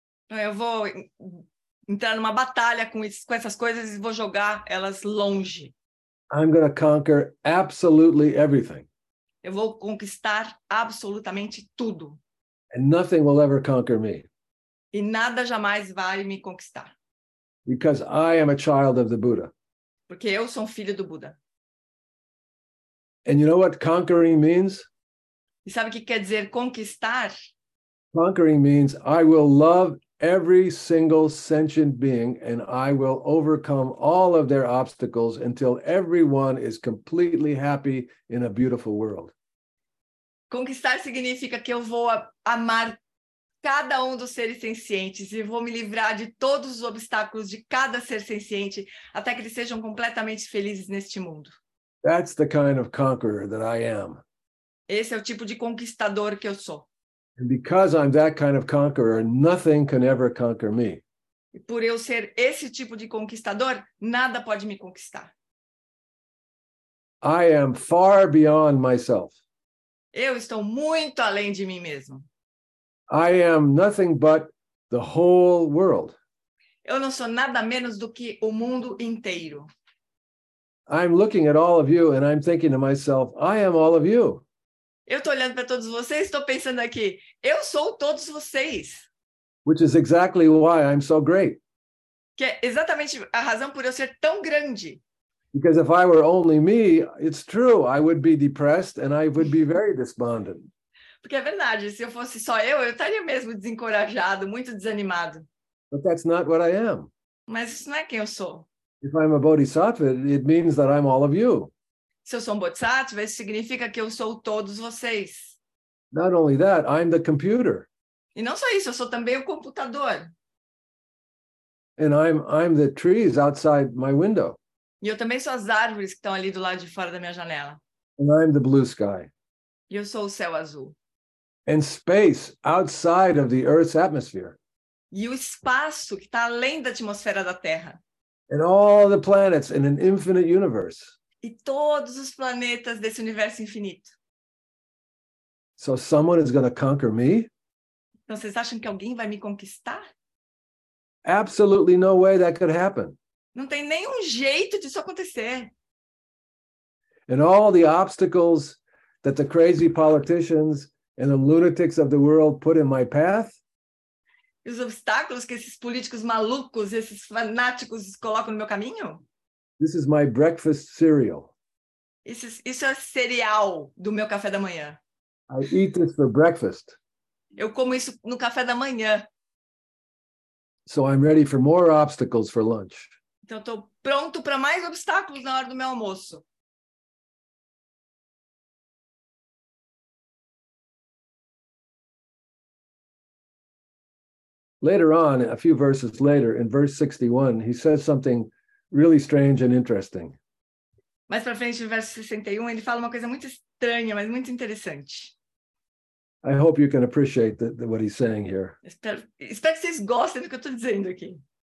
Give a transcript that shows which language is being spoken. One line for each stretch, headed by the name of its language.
Portuguese: Eu vou entrar numa batalha com essas coisas e vou jogar elas longe.
English: I'm going to conquer absolutely everything.
Portuguese: Eu vou conquistar absolutamente tudo.
English: And nothing will ever conquer me.
Portuguese: E nada jamais vai me conquistar.
English: Because I am a child of the Buddha.
Portuguese: Porque eu sou um filho do Buda.
English: And you know what conquering means?
Portuguese: E sabe o que quer dizer conquistar?
English: Conquering means I will love every single sentient being and I will overcome all of their obstacles until everyone is completely happy in a beautiful world.
Portuguese: Conquistar significa que eu vou amar cada dos seres sencientes e vou me livrar de todos os obstáculos de cada ser senciente até que eles sejam completamente felizes neste mundo.
English: That's the kind of conqueror that I am.
Portuguese: Esse é o tipo de conquistador que eu sou.
English: And because I'm that kind of conqueror, nothing can ever conquer me.
Portuguese: E por eu ser esse tipo de conquistador, nada pode me conquistar.
English: I am far beyond myself.
Portuguese: Eu estou muito além de mim mesmo.
English: I am nothing but the whole world.
Portuguese: Eu não sou nada menos do que o mundo inteiro.
English: I'm looking at all of you and I'm thinking to myself, I am all of you.
Portuguese: Eu estou olhando para todos vocês e estou pensando aqui, eu sou todos vocês.
English: Which is exactly why I'm so great.
Portuguese: Que é exatamente a razão por eu ser tão grande.
English: Because if I were only me, it's true, I would be depressed and I would be very despondent.
Portuguese: Porque é verdade, se eu fosse só eu estaria mesmo desencorajado, muito desanimado.
English: But that's not what I am.
Portuguese: Mas isso não é quem eu sou.
English: If I'm a bodhisattva, it means that I'm all of you.
Portuguese: Se eu sou um bodhisattva, isso significa que eu sou todos vocês.
English: Not only that, I'm the computer.
Portuguese: E não só isso, eu sou também o computador.
English: And I'm the trees outside my window.
Portuguese: E eu também sou as árvores que estão ali do lado de fora da minha janela.
English: And I'm the blue sky.
Portuguese: E eu sou o céu azul.
English: And space outside of the Earth's atmosphere.
Portuguese: E o espaço que está além da atmosfera da Terra.
English: And all the planets in an infinite universe.
Portuguese: E todos os planetas desse universo infinito.
English: So someone is going to conquer me?
Portuguese: Então vocês acham que alguém vai me conquistar?
English: Absolutely no way that could happen.
Portuguese: Não tem nenhum jeito disso acontecer.
English: And all the obstacles that the crazy politicians and the lunatics of the world put in my path?
Portuguese: Os obstáculos que esses políticos malucos, esses fanáticos colocam no meu caminho?
English: This is my breakfast cereal.
Portuguese: Isso é cereal do meu café da manhã.
English: I eat this for breakfast.
Portuguese: Eu como isso no café da manhã.
English: So I'm ready for more obstacles for lunch.
Portuguese: Então eu tô pronto para mais obstáculos na hora do meu almoço.
English: Later on, a few verses later, in verse 61, he says something really strange and interesting.
Portuguese: Mais para frente, no verso 61, ele fala uma coisa muito estranha, mas muito interessante.
English: I hope you can appreciate what he's saying here.
Portuguese: Espero que vocês gostem do que eu estou dizendo aqui.